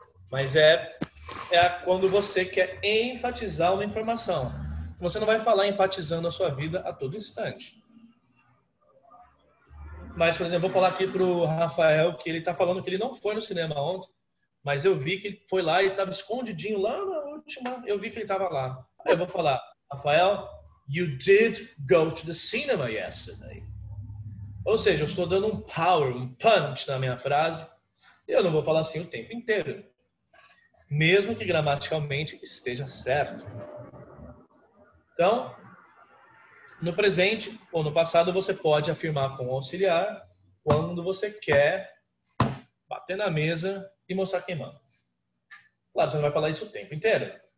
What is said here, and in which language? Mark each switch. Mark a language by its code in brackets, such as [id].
[pt] Mas é quando você quer enfatizar uma informação. Você não vai falar enfatizando a sua vida a todo instante. Mas, por exemplo, vou falar aqui pro Rafael que ele tá falando que ele não foi no cinema ontem. Mas eu vi que ele foi lá e tava escondidinho lá na última. Eu vi que ele tava lá. Aí eu vou falar, [en] Rafael, you did go to the cinema yesterday. [pt] Ou seja, eu estou dando um power, um punch na minha frase. E eu não vou falar assim o tempo inteiro. Mesmo que gramaticalmente esteja certo. Então... no presente ou no passado, você pode afirmar com o auxiliar quando você quer bater na mesa e mostrar quem manda. Claro, você não vai falar isso o tempo inteiro.